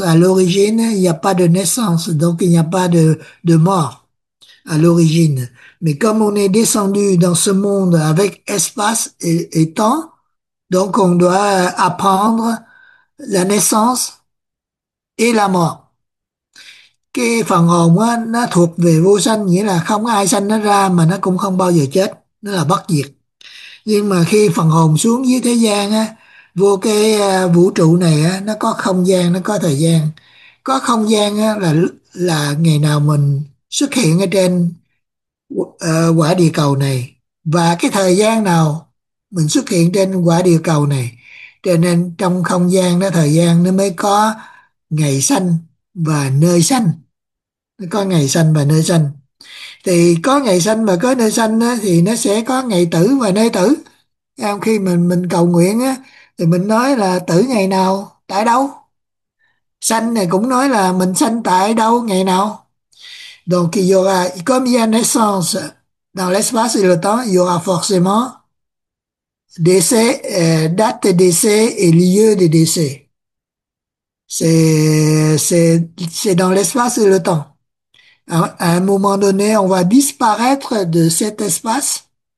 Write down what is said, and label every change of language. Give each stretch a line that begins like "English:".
French: À l'origine, il n'y a pas de naissance, donc il n'y a pas de mort à l'origine. Mais comme on est descendu dans ce monde avec espace et temps, donc on doit apprendre la naissance et la mort.
Vietnamese: Cái phần hồn á, nó thuộc về vô sanh, nghĩa là không ai sanh nó ra mà nó cũng không bao giờ chết, nó là bất diệt. Nhưng mà khi phần hồn xuống dưới thế gian á, vô cái vũ trụ này á, nó có không gian, nó có thời gian. Có không gian á, là ngày nào mình xuất hiện ở trên quả địa cầu này, và cái thời gian nào mình xuất hiện trên quả địa cầu này. Cho nên trong không gian đó, thời gian nó mới có ngày sanh và nơi sanh. Nó có ngày sanh và nơi sanh. Thì có ngày sanh và có nơi sanh á, thì nó sẽ có ngày tử và nơi tử. Em khi mình cầu nguyện á, thì mình nói là tử ngày nào, tại đâu. Sanh này cũng nói là mình sanh tại đâu, ngày nào.
French: Donc, il y aura, comme il y a naissance dans l'espace et le temps, il y aura forcément décès, date de décès et lieu de décès. C'est dans l'espace et le temps. À un moment donné, on va disparaître de cet espace.